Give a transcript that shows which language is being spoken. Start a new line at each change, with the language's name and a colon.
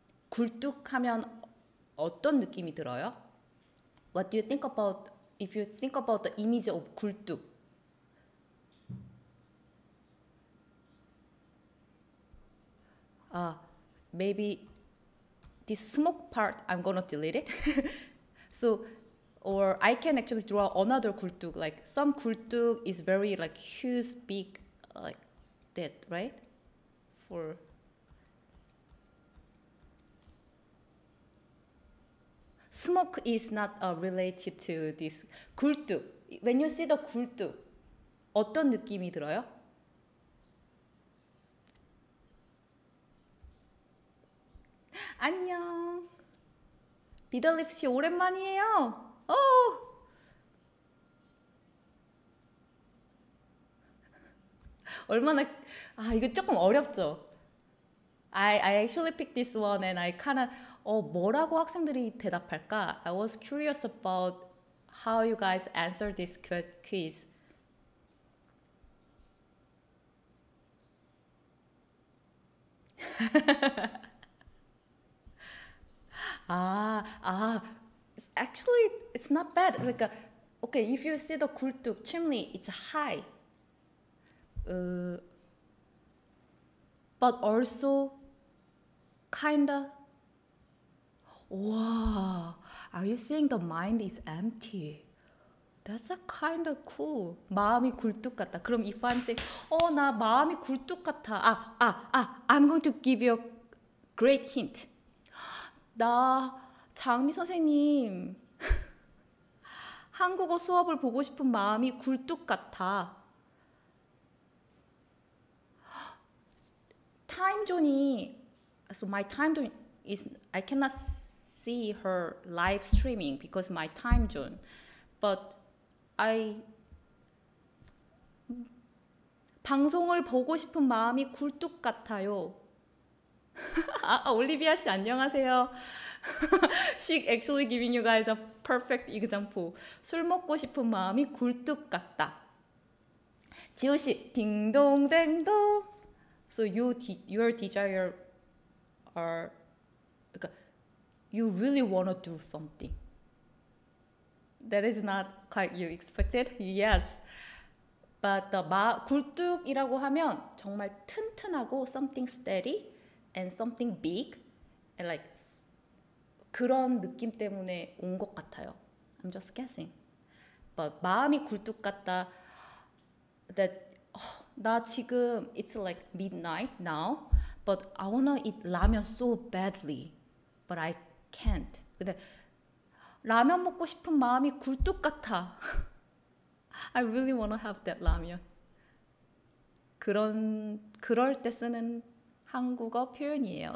Korean: 굴뚝 하면 어떤 느낌이 들어요?
English: What do you think about if you think about the image of 굴뚝? 아, maybe this smoke part I'm gonna delete it. So or I can actually draw another 굴뚝. Like some 굴뚝 is very like huge, big, like that, right? For smoke is not related to this 굴뚝. When you see the 굴뚝,
Korean: 어떤 느낌이 들어요? 안녕. 비덜립 씨 오랜만이에요. 얼마나 이거 조금 어렵죠?
English: I actually picked this one and I kind of
Korean: 뭐라고 학생들이 대답할까?
English: I was curious about how you guys answer this quiz. 아, actually it's not bad. Like okay, if you see the 굴뚝 chimney, it's high. But also kinda. 와, are you saying the mind is empty? That's a kind of cool.
Korean: 마음이 굴뚝 같다. 그럼
English: if I'm saying,
Korean: 나 마음이 굴뚝 같아.
English: I'm going to give you a great hint.
Korean: 나 장미 선생님, 한국어 수업을 보고 싶은 마음이 굴뚝 같아.
English: 타임존이, so my time zone is, I cannot see her live streaming because my time zone. But I,
Korean: 방송을 보고 싶은 마음이 굴뚝 같아요. 올리비아 씨, 안녕하세요.
English: She actually giving you guys a perfect example.
Korean: 술 먹고 싶은 마음이 굴뚝 같다. 지호 씨, 딩동댕동.
English: So your desire are,
Korean: 그러니까
English: you really wanna do something. That is not quite you expected. Yes, but
Korean: 굴뚝이라고 하면 정말 튼튼하고
English: something steady and something big and like
Korean: 그런 느낌 때문에 온것 같아요.
English: I'm just guessing. But
Korean: 마음이 굴뚝 같다.
English: That
Korean: 나 지금
English: it's like midnight now, but I wanna eat 라면 so badly, but I can't.
Korean: 근데 라면 먹고 싶은 마음이 굴뚝 같아.
English: I really wanna have that 라면.
Korean: 그럴 때 쓰는 한국어 표현이에요.